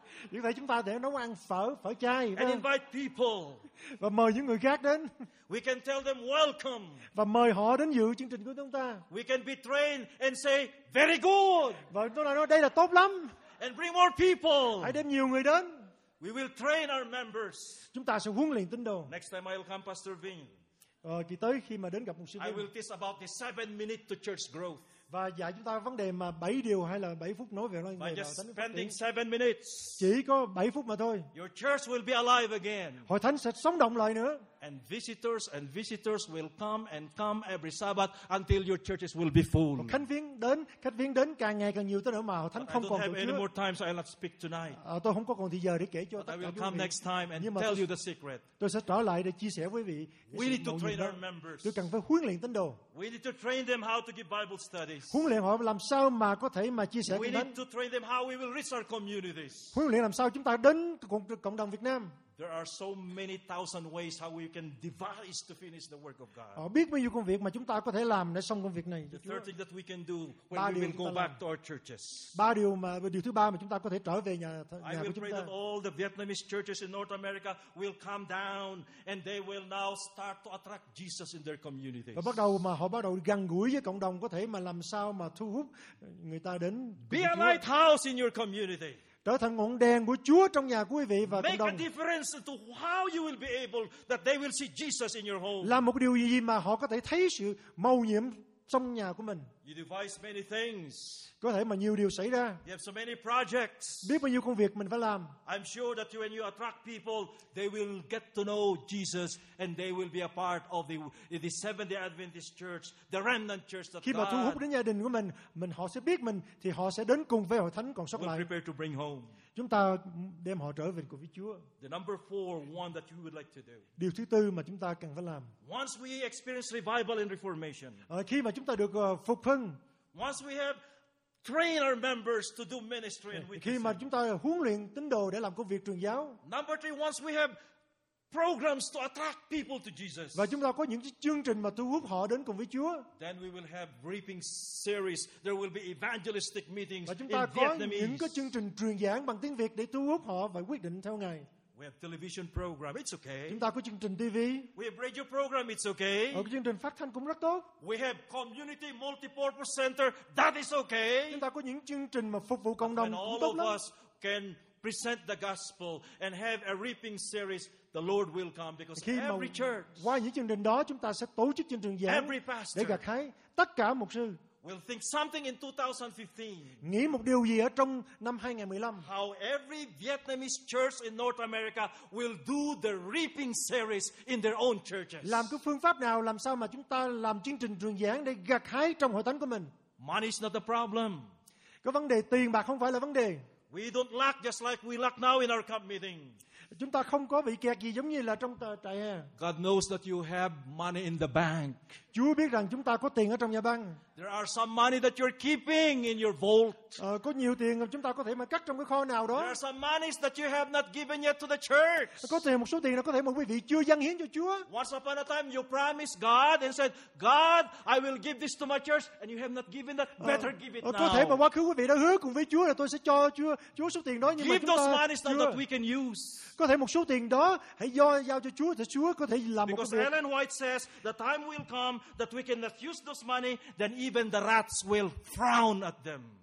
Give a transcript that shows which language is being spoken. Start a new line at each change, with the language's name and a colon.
Vietnamese: Như vậy chúng ta để nấu ăn phở, phở chay.
English: And invite people.
Vietnamese: Và mời những người khác đến.
English: We can tell them welcome.
Vietnamese: Và mời họ đến dự chương trình của chúng ta.
English: We can be trained and say very good.
Vietnamese: Và chúng ta nói đây là tốt lắm.
English: And bring more people.
Vietnamese: Hãy đem nhiều người đến.
English: We will train our members.
Vietnamese: Chúng ta sẽ huấn luyện tín đồ.
English: Next time I'll come, Pastor Vinh.
Vietnamese: Kỳ tới khi mà đến gặp một sư
English: Vinh. I will teach about the 7 minutes to church growth.
Vietnamese: Và dạy chúng ta vấn đề mà 7 điều hay là 7 phút nói về nó như thế nào. Chỉ có 7 phút mà thôi.
English: Your church will be alive again.
Vietnamese: Hội thánh sẽ sống động lại nữa.
English: And visitors and visitors will come and come every Sabbath until your churches will be full.
Vietnamese: Khách viếng đến càng ngày càng nhiều tới nỗi mà hội thánh không còn được nữa.
English: Any more time, so I'll not speak tonight.
Vietnamese: Tôi không có còn thời giờ để kể cho tất cả quý vị.
English: I will come next time and tell you the secret.
Vietnamese: Tôi sẽ trở lại để chia sẻ với quý vị.
English: We need to train our members.
Vietnamese: Tôi cần phải huấn luyện tín đồ.
English: We need to train them how to give Bible studies.
Vietnamese: Huấn luyện họ làm sao mà có thể mà chia sẻ kinh thánh.
English: We need to train them how we will reach our communities.
Vietnamese: Huấn luyện làm sao chúng ta đến cộng đồng Việt Nam.
English: There are so many thousand ways how we can devise to finish the work of God.
Vietnamese: Biết bao nhiêu công việc mà chúng ta có thể làm để xong công việc này.
English: The third thing that we can do when we will go back to our churches.
Vietnamese: Điều thứ ba mà chúng ta có thể trở về nhà của chúng ta.
English: I will pray that all the Vietnamese churches in North America will come down and they will now start to attract Jesus in their communities.
Vietnamese: Và bắt đầu mà họ bắt đầu gần gũi với cộng đồng có thể mà làm sao mà thu hút người ta đến.
English: Be a lighthouse in your community.
Vietnamese: Trở thành ngọn đèn của Chúa trong nhà quý vị và cộng đồng.
English: Make a difference to how you will be able that they will see Jesus in your home.
Vietnamese: Làm một điều gì mà họ có thể thấy sự mầu nhiệm trong nhà của mình.
English: You devise many things.
Vietnamese: Có thể mà nhiều điều xảy ra.
English: You have so many projects.
Vietnamese: Biết bao nhiêu công việc mình phải làm.
English: I'm sure that when you attract people, they will get to know Jesus and they will be a part of the Seventh-day Adventist Church, the remnant church that
Vietnamese: God. Khi mà thu hút đến gia đình của mình họ sẽ biết mình thì họ sẽ đến cùng với hội thánh còn sót lại.
English: We'll prepare to bring home.
Vietnamese: Chúng ta đem họ trở về cùng với Chúa.
English: The number four one that you would like to do.
Vietnamese: Điều thứ tư mà chúng ta cần phải làm.
English: Once we experience revival and reformation.
Vietnamese: Khi mà chúng ta được phục hưng.
English: Once we have train our members to do ministry and witness.
Vietnamese: Khi mà chúng ta huấn luyện tín đồ để làm công việc truyền giáo.
English: Number three, once we have programs to attract people to Jesus.
Vietnamese: Và chúng ta có những chương trình mà thu hút họ đến cùng với Chúa.
English: Then we will have reaping series. There will be evangelistic meetings.
Vietnamese: Và chúng ta có những cái chương trình truyền giảng bằng tiếng Việt để thu hút họ và quyết định theo Ngài.
English: We have television program. It's okay.
Vietnamese: Chúng ta có chương trình TV.
English: We have radio program. It's okay.
Vietnamese: Ở chương trình phát thanh cũng rất tốt.
English: We have community multi-purpose center. That is okay.
Vietnamese: Chúng ta có những chương trình mà phục vụ cộng đồng cũng tốt lắm.
English: All of us can present the gospel and have a reaping series. The Lord will come because
Vietnamese: khi
English: every church.
Vietnamese: Qua những chương trình đó chúng ta sẽ tổ chức chương trình giảng.
English: Every pastor.
Vietnamese: Để gặt hái tất cả mục sư.
English: We'll think something in 2015.
Vietnamese: Nghĩ một điều gì ở trong năm 2015.
English: How every Vietnamese church in North America will do the reaping series in their own churches.
Vietnamese: Làm cái phương pháp nào làm sao mà chúng ta làm chương trình truyền giảng để gặt hái trong hội thánh của mình.
English: Money is not the problem.
Vietnamese: Cái vấn đề tiền bạc không phải là vấn đề.
English: We don't lack just like we lack now in our camp meeting.
Vietnamese: Chúng ta không có bị kẹt gì giống như là trong trại hè.
English: God knows that you have money in the bank.
Vietnamese: Chúa biết rằng chúng ta có tiền ở trong nhà băng.
English: There are some money that you're keeping in your vault.
Vietnamese: Có nhiều tiền chúng ta có thể mà cất trong cái kho nào đó.
English: There are some money that you have not given yet to the church.
Vietnamese: Có tiền một số tiền là có thể mà quý vị chưa dâng hiến cho Chúa.
English: Once upon a time you promised God and said, God, I will give this to my church, and you have not given that. Better give it now.
Vietnamese: Có thể mà quá khứ quý vị đã hứa cùng với Chúa là tôi sẽ cho Chúa số tiền đó nhưng
English: give
Vietnamese: mà chúng ta.
English: Give those money that we can use.
Vietnamese: Có thể một số tiền đó hãy giao cho Chúa để Chúa có thể làm
English: because
Vietnamese: một việc.
English: Because Ellen White says the time will come that we can not use those money, then even the rats will frown at them.